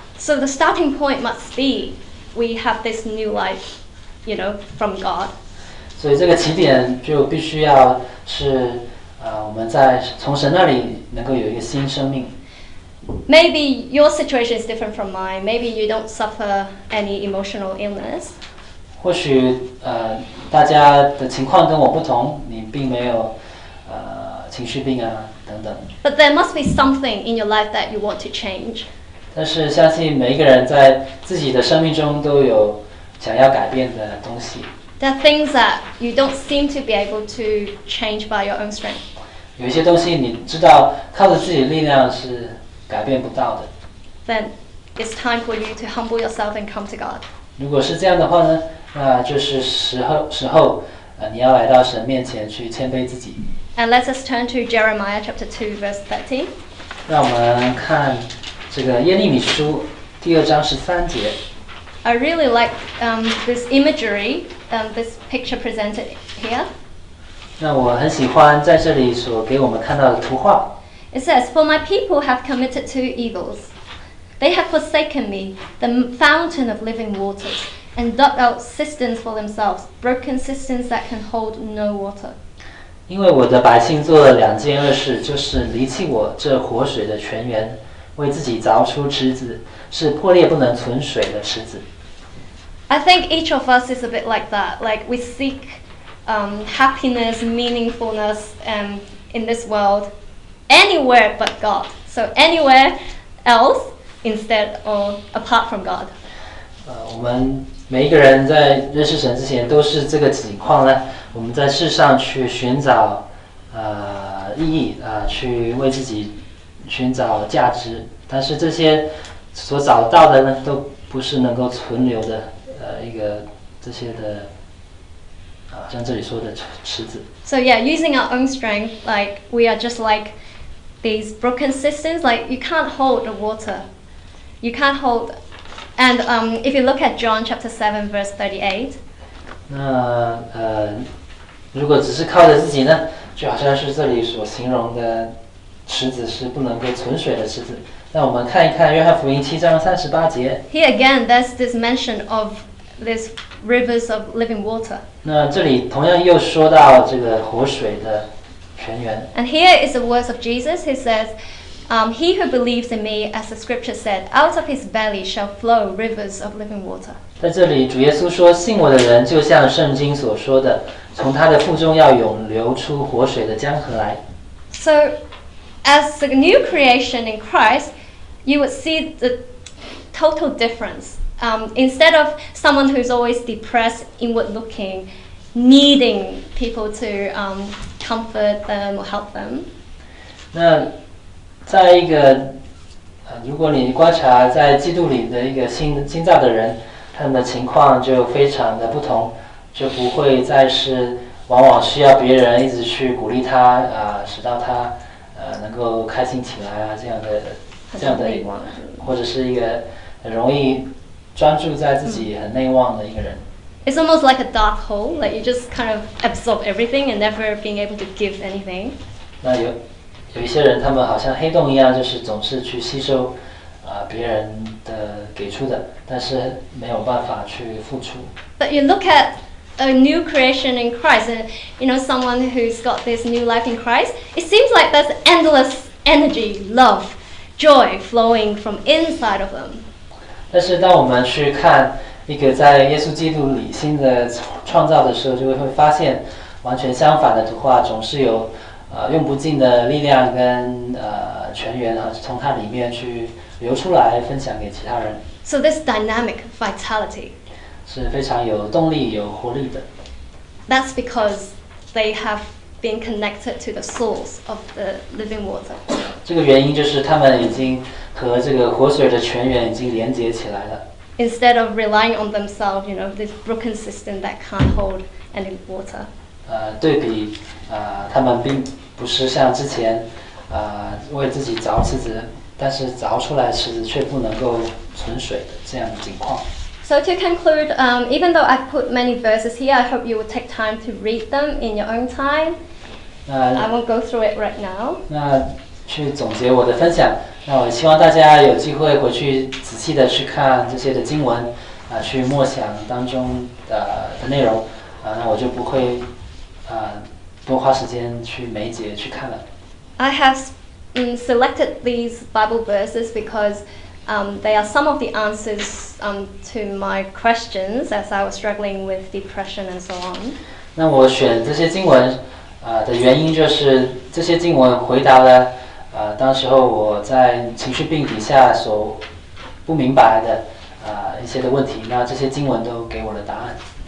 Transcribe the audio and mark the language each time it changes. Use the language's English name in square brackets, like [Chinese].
[English] So the starting point must be we have this new life, you know, from God. [Chinese] 所以这个起点就必须要是。我们在从神那里能够有一个新生命。 [English] Maybe your situation is different from mine. Maybe you don't suffer any emotional illness. [Chinese] 或许大家的情况跟我不同，你并没有情绪病啊等等。 [English] But there must be something in your life that you want to change. [Chinese] 但是相信每一个人在自己的生命中都有想要改变的东西。 [English] There are things that you don't seem to be able to change by your own strength. [Chinese] 有一些东西你知道靠着自己的力量是改变不到的。 [English] Then it's time for you to humble yourself and come to God. [Chinese] 如果是这样的话呢，那就是时候，你要来到神面前去谦卑自己。 [English] And let us turn to Jeremiah chapter 2 verse 13. [Chinese] 让我们看这个耶利米书第二章十三节。 [English] I really like this imagery, this picture presented here. [Chinese] 那我很喜欢在这里所给我们看到的图画。 [English] It says, "For my people have committed two evils. They have forsaken me, the fountain of living waters, and dug out cisterns for themselves, broken cisterns that can hold no water." [Chinese] 因为我的百姓做了两件恶事，就是离弃我这活水的泉源。为自己凿出池子，是破裂不能存水的池子。 [English] I think each of us is a bit like that. Like we seek, happiness, meaningfulness, in this world, anywhere but God. So anywhere else instead or apart from God. [Chinese] 我们每一个人在认识神之前都是这个情况呢。我们在世上去寻找，意义啊，去为自己。寻找价值，但是这些所找到的呢，都不是能够存留的，一个这些的，像这里说的池子。 [English] So yeah, using our own strength, like we are just like these broken cisterns. Like you can't hold the water, you can't hold. And if you look at John chapter 7 verse 38, [Chinese] 那如果只是靠着自己呢，就好像是这里所形容的。池子是不能够存水的池子。那我们看一看《约翰福音》七章三十八节。 [English] Here again, there's this mention of these rivers of living water. [Chinese] 那这里同样又说到这个活水的泉源。 [English] And here is the words of Jesus. He says, "He who believes in me, as the scripture said, out of his belly shall flow rivers of living water." [Chinese] 在这里，主耶稣说，信我的人就像圣经所说的，从他的腹中要涌流出活水的江河来。 [English] So, as the new creation in Christ, you would see the total difference. Instead of someone who's always depressed, inward-looking, needing people to comfort them or help them. [Chinese] 那在一个如果你观察在基督里的一个新造的人，他们的情况就非常的不同，就不会再是往往需要别人一直去鼓励他使到他能够开心起来啊，这样的一个，或者是一个很容易专注在自己很内望的一个人。 [English] It's almost like a dark hole, like you just kind of absorb everything and never being able to give anything. [Chinese] 那有一些人，他们好像黑洞一样，就是总是去吸收别人的给出的，但是没有办法去付出。 [English] But you look at a new creation in Christ, and you know someone who's got this new life in Christ. It seems like there's endless energy, love, joy flowing from inside of them. [Chinese] 但是当我们去看一个在耶稣基督里新的创造的时候，就会发现完全相反的图画，总是有用不尽的力量跟泉源啊，从它里面去流出来，分享给其他人。 [English] So this dynamic vitality [Chinese] 是非常有动力、有活力的。 [English] That's because they have been connected to the source of the living water. [Chinese] 这个原因就是他们已经和这个活水的泉源已经连接起来了。 [English] Instead of relying on themselves, you know, this broken system that can't hold any water. [Chinese] 对比，他们并不是像之前，为自己凿池子，但是凿出来池子却不能够存水的这样的情况。 [English] So to conclude, even though I've put many verses here, I hope you will take time to read them in your own time. I won't go through it right now. [Chinese] 那去总结我的分享。那我希望大家有机会回去仔细的去看这些的经文，去默想当中的内容，那我就不会多花时间去每节去看了。 [English] I have selected these Bible verses because they are some of the answers to my questions as I was struggling with depression and so on. [Chinese] 那我选这些经文的原因就是这些经文回答了当时候我在情绪病底下所不明白的一些的问题，那这些经文都给我了答案。